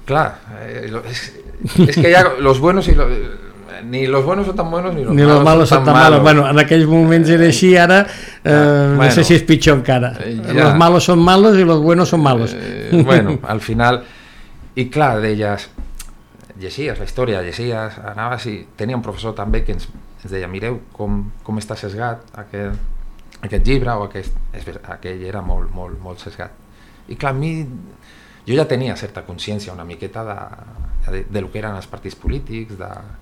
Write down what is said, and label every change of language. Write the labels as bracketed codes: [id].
[ca] Clar, és que hi ha [es] los buenos y los... Ni los buenos son tan buenos, ni los malos son tan malos. [ca] Bueno, en aquells moments era així, ara bueno, no sé si és pitjor encara. Ja. [es] Los malos son malos y los buenos son malos. [ca] Bueno, al final... I clar, deies... Llegies la història, llegies... Anaves i tenia un professor també que ens deia, mireu com està sesgat aquest llibre, o aquell era molt, molt, molt sesgat. I clar, a mi... Jo ja tenia certa consciència una miqueta de lo que eren els partits polítics, de...